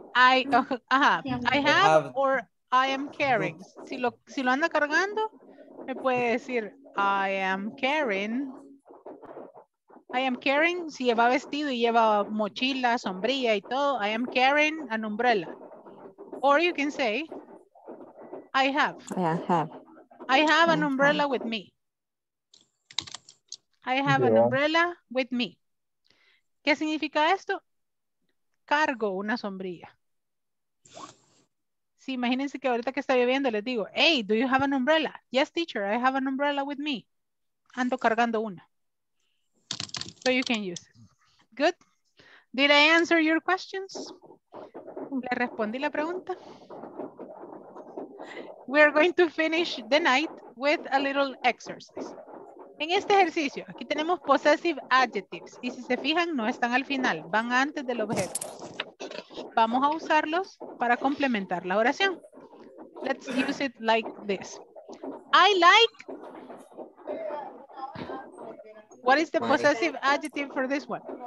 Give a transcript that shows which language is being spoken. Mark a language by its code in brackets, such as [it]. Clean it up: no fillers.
[en] I have or I am carrying. [es] Si lo anda cargando, me puede decir [en] I am carrying, [es] si lleva vestido y lleva mochila, sombrilla y todo, [en] I am carrying an umbrella. Or you can say, I have an umbrella with me. An umbrella with me. [es] ¿Qué significa esto? Cargo una sombrilla. Sí, imagínense que ahorita que está lloviendo les digo, [en] hey, do you have an umbrella? Yes, teacher, I have an umbrella with me. [es] Ando cargando una. [en] So you can use it. Good. Did I answer your questions? [es] ¿Le respondí la pregunta? [en] We are going to finish the night with a little exercise. [es] En este ejercicio, aquí tenemos possessive adjectives. Y si se fijan, no están al final, van antes del objeto. Vamos a usarlos para complementar la oración. [en] let's use it like this. I like, what is the possessive adjective for this one?